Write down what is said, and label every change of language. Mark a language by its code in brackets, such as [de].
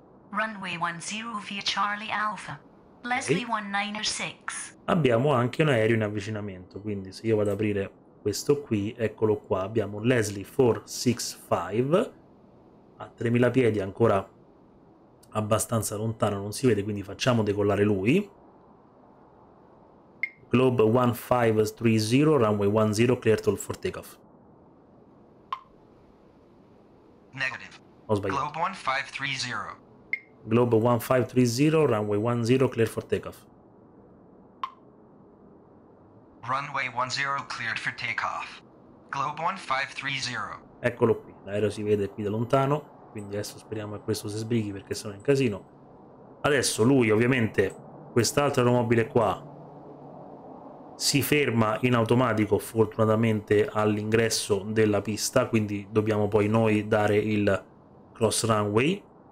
[en] Runway 10 via Charlie Alpha. Leslie 196. [it] Abbiamo anche un aereo in avvicinamento, quindi se io vado ad aprire questo qui, eccolo qua, abbiamo Leslie 465 a 3000 piedi, ancora abbastanza lontano, non si vede, quindi facciamo decollare lui. [en] Globe 1530, runway 10, clear to for takeoff. Negative. [it] Ho sbagliato. [en] Globe 1530. Globe 1530, runway 10, clear for takeoff. Runway 10 cleared for takeoff. Globe 1530. [it] Eccolo qui, l'aereo si vede qui da lontano, quindi adesso speriamo che questo si sbrighi perché sennò è un casino. Adesso lui ovviamente, quest'altro aeromobile qua, si ferma in automatico fortunatamente all'ingresso della pista, quindi dobbiamo poi noi dare il cross runway.